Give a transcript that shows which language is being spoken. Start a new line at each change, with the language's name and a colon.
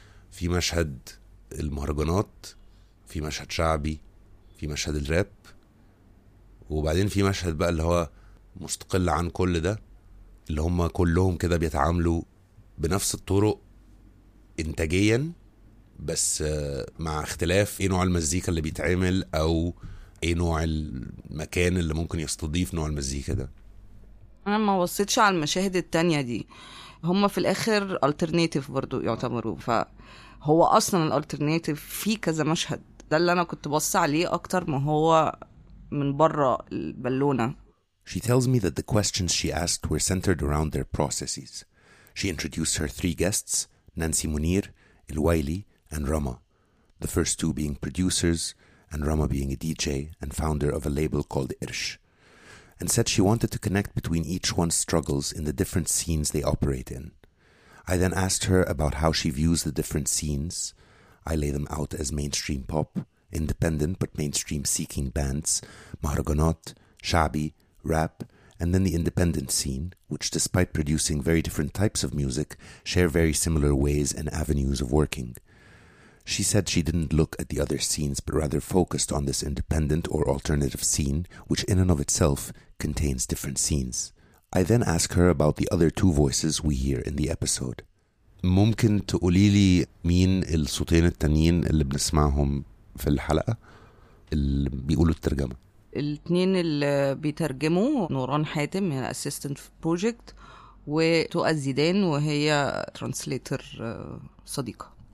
Arabic: في مشهد المهرجانات، في مشهد شعبي، في مشهد الراب، وبعدين في مشهد بقى اللي هو مستقل عن كل ده، اللي هم كلهم كده بيتعاملوا بنفس الطرق انتاجيا، بس مع اختلاف ايه نوع المزيكا اللي بيتعمل او ايه نوع المكان اللي ممكن يستضيف نوع المزيكا ده. انا ما وصيتش على المشاهد التانية دي، هم في الاخر الالترناتيف برضو يعتبروا، فهو اصلا الالترناتيف في كذا مشهد، ده اللي انا كنت بص عليه اكتر ما هو من بره البالونة.
English: She tells me that the questions she asked were centered around their processes. She introduced her three guests, Nancy Mounir, Waili, and Rama, the first two being producers and Rama being a DJ and founder of a label called Irsh, and said she wanted to connect between each one's struggles in the different scenes they operate in. I then asked her about how she views the different scenes. I lay them out as mainstream pop, independent but mainstream-seeking bands, Mahraganat, Shabi, rap, and then the independent scene, which despite producing very different types of music, share very similar ways and avenues of working. She said she didn't look at the other scenes, but rather focused on this independent or alternative scene, which in and of itself contains different scenes. I then ask her about the other two voices we hear in the episode.
Arabic: ممكن تقولي لي مين الصوتين التانيين اللي بنسمعهم في الحلقة اللي بيقولوا الترجمة؟ الاثنين اللي بيترجموا نوران حاتم من اسيستنت بروجكت، وتؤى زيدان وهي ترانسليتر صديقه.